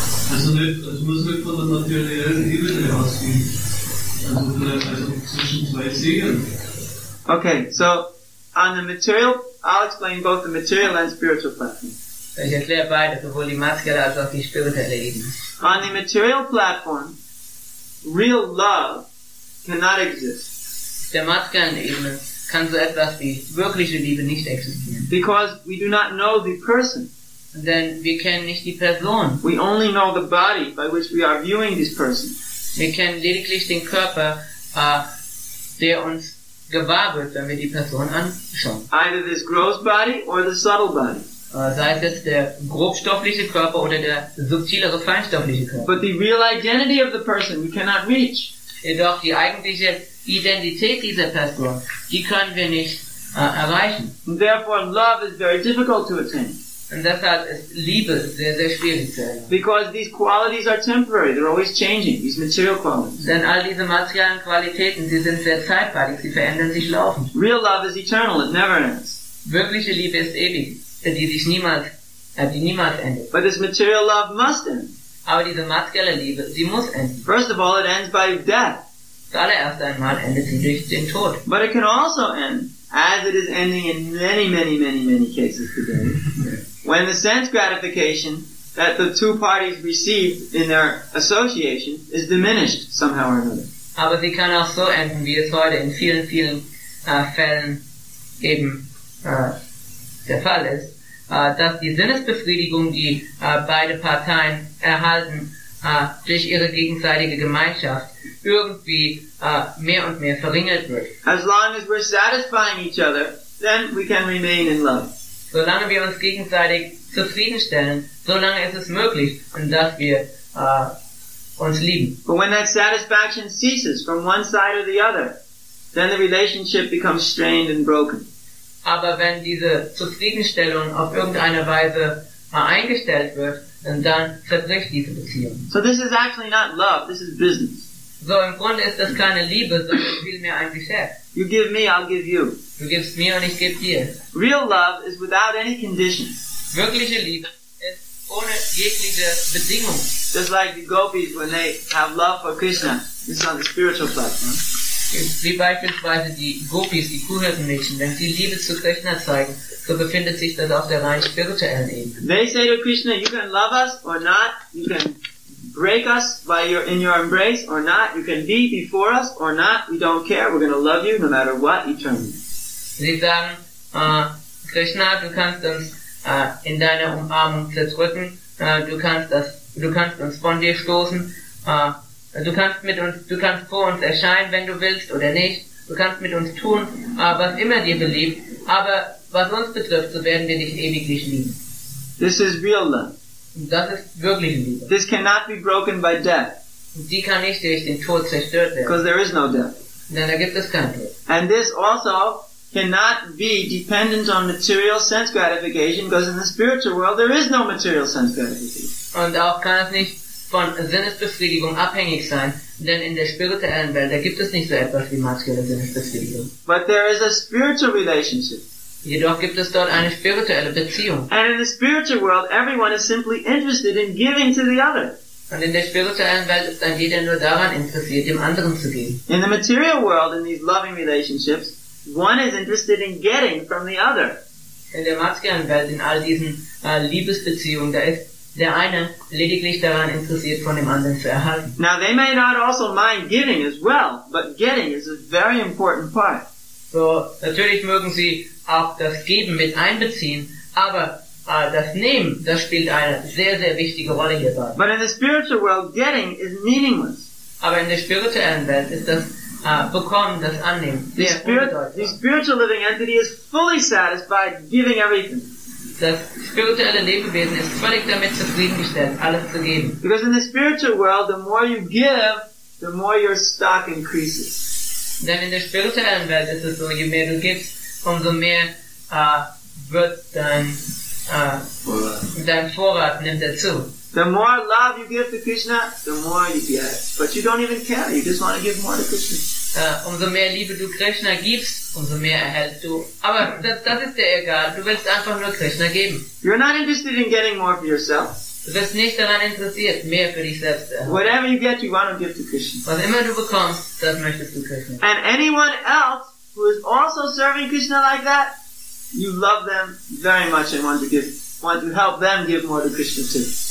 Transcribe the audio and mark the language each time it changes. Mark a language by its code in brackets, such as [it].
[de] Also muss nicht von der materiellen Ebene ausgehen. Also zwischen zwei Seelen. [en] Okay, so on the material, I'll explain both the material and spiritual platform. [de] Ich erkläre beide, sowohl die materielle als auch die spirituelle Ebene. [en] On the material platform, real love cannot exist. [de] Auf der materiellen Ebene kann so etwas wie wirkliche Liebe nicht existieren. [en] Because we do not know the person. Then we can [de] nicht die Person. [en] We only know the body by which we are viewing this person. We can [de] lediglich den Körper, der uns gewahr wird, wenn wir die Person anschauen. [en] Either this gross body or the subtle body. [de] Sei es jetzt der grobstoffliche Körper oder der subtilere feinstoffliche Körper. [en] But the real identity of the person we cannot reach. [de] Jedoch die eigentliche Identität dieser Person, die können wir nicht erreichen. [en] And therefore, love is very difficult to attain. [de] Und deshalb ist Liebe sehr, sehr schwierig zu erlangen. [en] Because these qualities are temporary, they're always changing, these material qualities. [de] Denn all diese materiellen Qualitäten, sie sind sehr zeitweilig, sie verändern sich laufend. [en] Real love is eternal, it never ends. [de] Wirkliche Liebe ist ewig, die niemals endet. [en] But this material love must end. [de] Aber diese materielle Liebe, sie muss enden. [en] First of all, it ends by death. [de] Zuallererst einmal endet sie durch den Tod. [en] But it can also end, as it is ending in many, many, many, many cases today. When the sense gratification that the two parties receive in their association is diminished somehow or another. [de] Aber sie kann auch so enden, wie es heute in vielen, vielen Fällen eben der Fall ist, dass die Sinnesbefriedigung, die beide Parteien erhalten, durch ihre gegenseitige Gemeinschaft irgendwie mehr und mehr verringert wird. [en] As long as we're satisfying each other, then we can remain in love. [de] Solange wir uns gegenseitig zufriedenstellen, solange ist es möglich, dass wir uns lieben. [en] But when that satisfaction ceases from one side or the other, then the relationship becomes strained and broken. [de] Aber wenn diese Zufriedenstellung auf irgendeine Weise eingestellt wird, dann zerbricht diese Beziehung. [en] So this is actually not love, this is business. [de] So im Grunde ist das keine Liebe, sondern vielmehr ein Geschäft. [en] You give me, I'll give you. [de] Du gibst mir und ich gebe dir. [en] Real love is without any conditions. [de] Wirkliche Liebe ist ohne jegliche Bedingung. [en] Just like the gopis when they have love for Krishna. This is on the spiritual platform. [de] Wie beispielsweise die Gopis, die Kuhhirtenmädchen, wenn sie Liebe zu Krishna zeigen, so befindet sich das auf der rein spirituellen Ebene. [en] They say to Krishna, you can love us or not, you can break us by your in your embrace or not, you can be before us or not, we don't care, we're going to love you no matter what, eternally. [de] Sie sagen, Krishna, du kannst uns in deiner Umarmung zerdrücken, du kannst uns von dir stoßen, du kannst vor uns erscheinen, wenn du willst oder nicht, du kannst mit uns tun, was immer dir beliebt, aber was uns betrifft, so werden wir dich ewiglich lieben. [en] This is real love. [de] Das ist wirklich Liebe. [en] This cannot be broken by death. [de] Die kann nicht durch den Tod zerstört werden. [en] Because there is no death. [de] Denn da gibt es keinen Tod. [en] And this also cannot be dependent on material sense gratification, because in the spiritual world there is no material sense gratification. [de] Und auch kann es nicht von Sinnesbefriedigung abhängig sein, denn in der spirituellen Welt, da gibt es nicht so etwas wie materielle Sinnesbefriedigung. [en] But there is a spiritual relationship. [de] Jedoch gibt es dort eine spirituelle Beziehung. [en] And in the spiritual world, everyone is simply interested in giving to the other. [de] Und in der spirituellen Welt ist dann jeder nur daran interessiert, dem anderen zu geben. [en] In the material world, in these loving relationships, one is interested in getting from the other. [de] In der materiellen Welt, in all diesen Liebesbeziehungen, da ist der eine lediglich daran interessiert, von dem anderen zu erhalten. [en] Now they may not also mind giving as well, but getting is a very important part. [de] So natürlich mögen sie auch das Geben mit einbeziehen, aber das Nehmen, das spielt eine sehr, sehr wichtige Rolle hierbei. [en] But in the spiritual world, getting is meaningless. [de] Aber in der spirituellen Welt ist das Bekommen, das Annehmen, sehr unbedeutend. [en] The spiritual living entity is fully satisfied giving everything. [de] Das spirituelle Lebewesen ist völlig damit zufriedengestellt, alles zu geben. [en] Because in the spiritual world, the more you give, the more your stock increases. [de] Denn in der spirituellen Welt ist es so, je mehr du gibst, umso mehr wird dein Vorrat nimmt dazu. [en] The more love you give to Krishna, the more you get. But you don't even care, you just want to give more to Krishna. [de] Umso mehr Liebe du Krishna gibst, umso mehr erhältst du. Aber das ist dir egal, du willst einfach nur Krishna geben. [en] You're not interested in getting more for yourself. [de] Du bist nicht daran interessiert, mehr für dich selbst. [en] Whatever you get, you want to give to Krishna. [de] Was immer du bekommst, das möchtest du Krishna. [en] And anyone else who is also serving Krishna like that, you love them very much and want to help them give more to Krishna too.